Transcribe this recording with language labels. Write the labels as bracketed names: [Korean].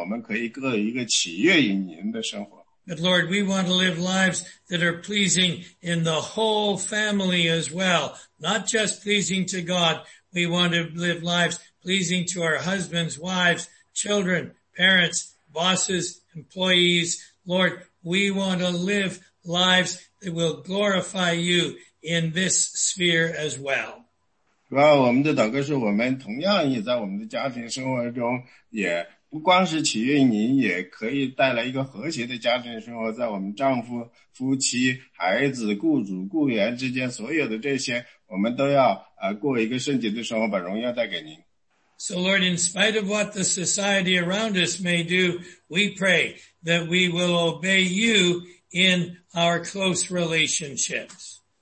[English] But Lord, we want to live lives that are pleasing in the whole family as well, not just pleasing to God. We want to live lives pleasing to our husbands, wives, children, parents, bosses, employees. Lord, we want to live lives that will glorify you in this sphere as well. [Chinese] 主啊，我们的祷告是我们同样也在我们的家庭生活中，也不光是取悦您，也可以带来一个和谐的家庭生活，在我们丈夫、夫妻、孩子、雇主、雇员之间，所有的这些，我们都要过一个圣洁的生活，把荣耀带给您。 [English] So Lord, in spite of what the society around us may do, we pray that we will obey you in our close relationships.